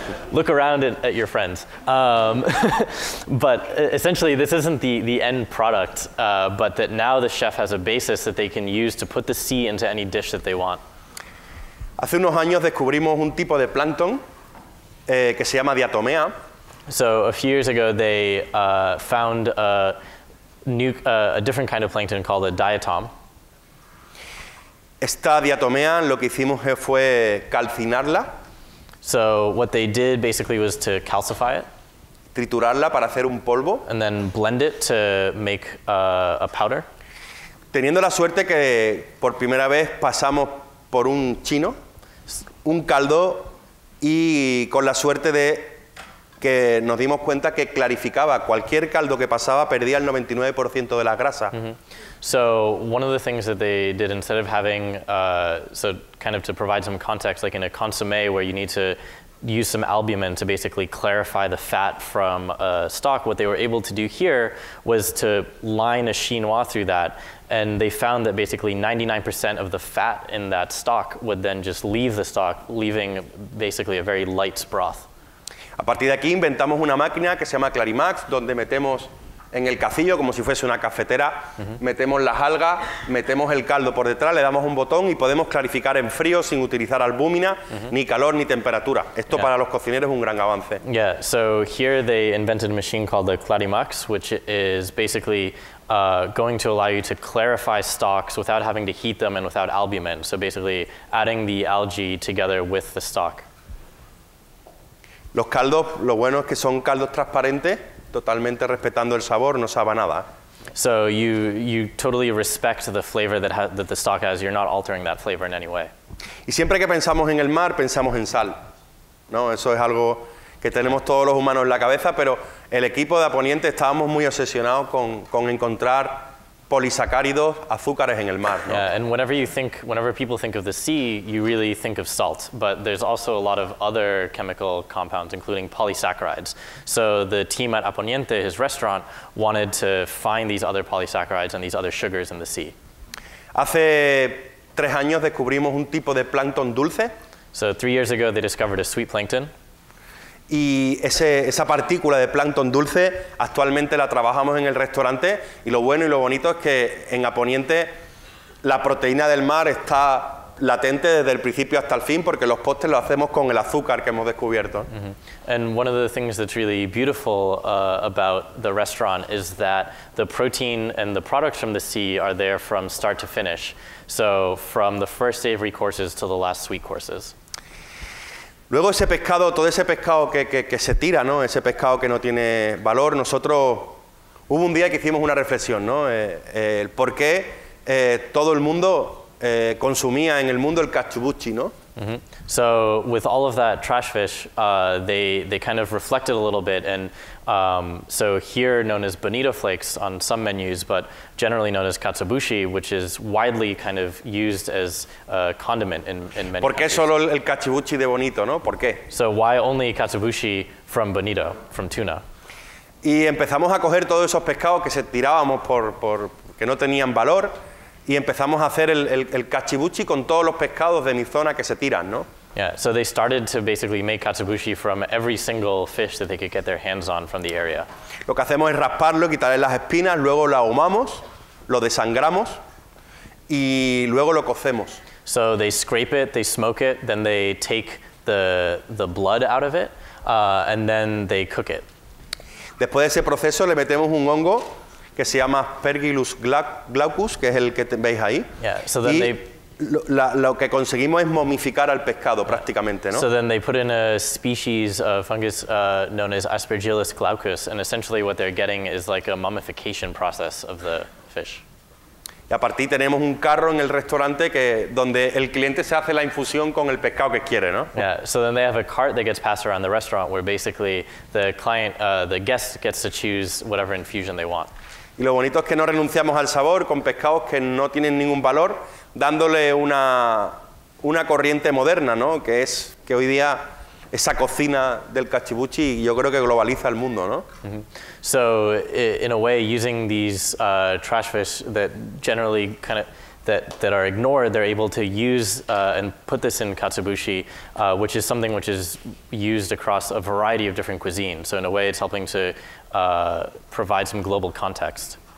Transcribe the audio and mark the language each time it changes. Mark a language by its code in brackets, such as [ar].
[en] Look around at your friends. but essentially, this isn't the end product, but that now the chef has a basis that they can use to put the sea into any dish that they want. [es] Hace unos años descubrimos un tipo de plancton que se llama diatomea. [en] So a few years ago, they found a different kind of plankton called a diatom. [es] Esta diatomea, lo que hicimos fue calcinarla. [en] So what they did basically was to calcify it. [es] Triturarla para hacer un polvo. [en] And then blend it to make a powder. [es] Teniendo la suerte que por primera vez pasamos por un chino, un caldo, y con la suerte de que nos dimos cuenta que clarificaba cualquier caldo que pasaba perdía el 99% de la grasa. Mm-hmm. [en] So one of the things that they did, instead of having so kind of to provide some context, like in a consommé where you need to use some albumin to basically clarify the fat from a stock, what they were able to do here was to line a chinois through that, and they found that basically 99% of the fat in that stock would then just leave the stock, leaving basically a very light broth. [es] A partir de aquí inventamos una máquina que se llama Clarimax, donde metemos en el cacillo, como si fuese una cafetera, metemos las algas, metemos el caldo por detrás, le damos un botón y podemos clarificar en frío sin utilizar albúmina, ni calor ni temperatura. Esto para los cocineros es un gran avance. [en] Yeah, so here they invented a machine called the Clarimax, which is basically going to allow you to clarify stocks without having to heat them and without albumin. So basically adding the algae together with the stock. [es] Los caldos, lo bueno es que son caldos transparentes, totalmente respetando el sabor, no sabe nada. [en] So you totally respect the flavor that the stock has. You're not altering that flavor in any way. [es] Y siempre que pensamos en el mar, pensamos en sal, ¿no? Eso es algo que tenemos todos los humanos en la cabeza, pero el equipo de Aponiente estábamos muy obsesionados con encontrar polisacáridos, azúcares en el mar, ¿no? [en] Yeah, and whenever people think of the sea, you really think of salt. But there's also a lot of other chemical compounds, including polysaccharides. So the team at Aponiente, his restaurant, wanted to find these other polysaccharides and these other sugars in the sea. [es] Hace 3 años descubrimos un tipo de plancton dulce. [en] So 3 years ago, they discovered a sweet plankton. [es] Y esa partícula de plancton dulce actualmente la trabajamos en el restaurante, y lo bueno y lo bonito es que en Aponiente la proteína del mar está latente desde el principio hasta el fin, porque los postres los hacemos con el azúcar que hemos descubierto. [en] And one of the things that's really beautiful about the restaurant is that the protein and the products from the sea are there from start to finish, so from the first savory courses to the last sweet courses. [es] Luego ese pescado, todo ese pescado que se tira, ¿no? Ese pescado que no tiene valor. Nosotros hubo un día que hicimos una reflexión, ¿no? ¿Por qué todo el mundo consumía en el mundo el cachubuchi, ¿no? [en] So with all of that trash fish, they kind of reflected a little bit, and so here known as bonito flakes on some menus, but generally known as katsubushi, which is widely kind of used as a condiment in many. [es] ¿Por qué solo el katsubushi de bonito, no? ¿Por qué? [en] So why only katsubushi from bonito, from tuna? [es] Y empezamos a coger todos esos pescados que se tirábamos por que no tenían valor. Y empezamos a hacer el katsubushi con todos los pescados de mi zona que se tiran, ¿no? [en] Yeah, so they started to basically make katsubushi from every single fish that they could get their hands on from the area. [es] Lo que hacemos es rasparlo, quitarle las espinas, luego lo ahumamos, lo desangramos y luego lo cocemos. [en] So they scrape it, they smoke it, then they take the blood out of it, and then they cook it. [es] Después de ese proceso le metemos un hongo que se llama Aspergillus glaucus, que es el que veis ahí. [en] Yeah, so then [es] y [en] they, [es] lo que conseguimos es momificar al pescado, [en] yeah, [es] prácticamente, ¿no? [en] So then they put in a species of fungus known as Aspergillus glaucus, and essentially what they're getting is like a mummification process of the fish. [es] Y a partir tenemos un carro en el restaurante que donde el cliente se hace la infusión con el pescado que quiere, ¿no? [en] Yeah, so then they have a cart that gets passed around the restaurant where basically the client, the guest gets to choose whatever infusion they want. [es] Y lo bonito es que no renunciamos al sabor con pescados que no tienen ningún valor, dándole una corriente moderna, ¿no? Que es que hoy día esa cocina del cachivuchi yo creo que globaliza el mundo, ¿no? Mm-hmm. [en] So in a way, using these trash fish that generally kind of that are ignored, they're able to use and put this in katsubushi, which is something which is used across a variety of different cuisines. So in a way, it's helping to provide some global context.